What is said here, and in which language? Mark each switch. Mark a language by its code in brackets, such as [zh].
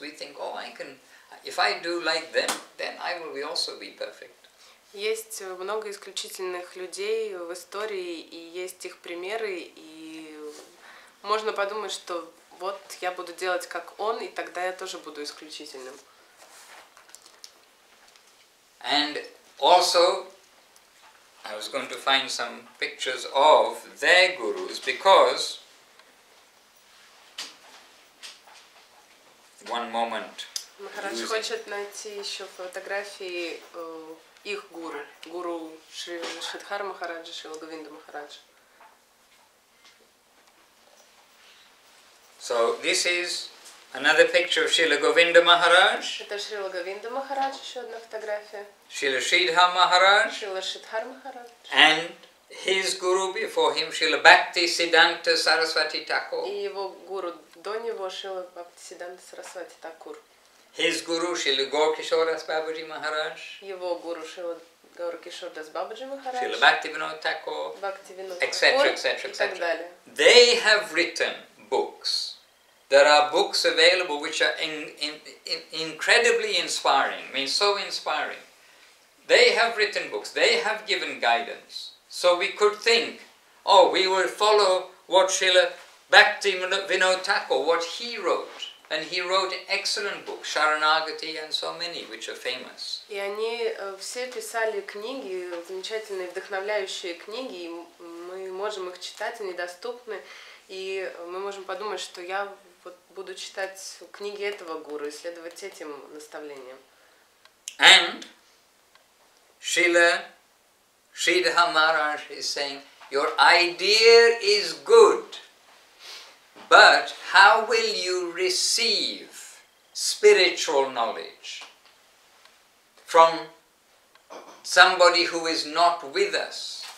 [en] We think, oh, I can, if I do like them, then I will also be perfect. [ru] Есть много исключительных людей в истории, и есть их примеры, и можно подумать, что вот я буду делать как он, и тогда я тоже буду исключительным. [en] And also, I was going to find some pictures of their gurus because one moment. [ru] Махарадж хочет найти еще фотографии их гуру, гуру Шридхар Махараджа, Шилагавинда Махараджа. [en] So this is another picture of Srila Govinda Maharaj. [ru] Это Шрила Говинда Махарадж, еще одна фотография. Шрила Шридхар Махарадж. Шрила Шридхар Махарадж. [en] And his guru before him, Шрила Бхакти Сиддханта Сарасвати Такур. [ru] И его гуру до него, Шрила Бхакти Сиддханта Сарасвати Такур. [en] His guru, Шрила Горкишордас Бабаджи Махарадж. [ru] Его гуру, Шрила Горкишордас Бабаджи Махарадж. Шрила Бхакти Винод Такур. Бхакти Винод [en] Такур. Etc. They have written books. There are books available which are incredibly inspiring, I mean so inspiring. They have written books, they have given guidance. So we could think, oh, we will follow what Srila Bhakti Vinod Thakur, what he wrote. And he wrote excellent books, Sharanagati and so many, which are famous. [ru] И они все писали книги, замечательные, вдохновляющие книги, и мы можем их читать, они доступны. И мы можем подумать, что я буду читать книги этого гуру и следовать этим наставлениям. [en] And Srila Sridhar Maharaj is saying, your idea is good, but how will you receive spiritual knowledge from somebody who is not with us?